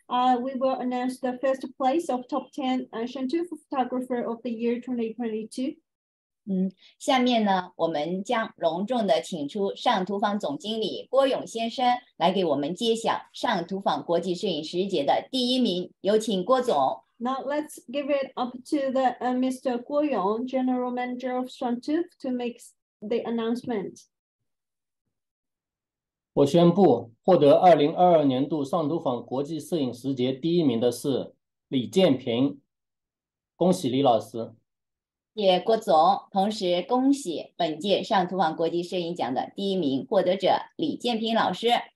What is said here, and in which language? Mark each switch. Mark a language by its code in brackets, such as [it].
[en] We will announce the first place of top 10 Shangtuf Photographer of the Year 2022. [zh] 下面呢，我们将隆重的请出上图坊总经理郭勇先生来给我们揭晓上图坊国际摄影师节的第一名，有请郭总。 [en] Now let's give it up to the Mr. Guo Yong, General Manager of Shangtuf, to make the announcement. [zh] 我宣布获得2022年度上图坊国际摄影师节第一名的是李建平，恭喜李老师。谢郭总，同时恭喜本届上图坊国际摄影奖的第一名获得者李建平老师。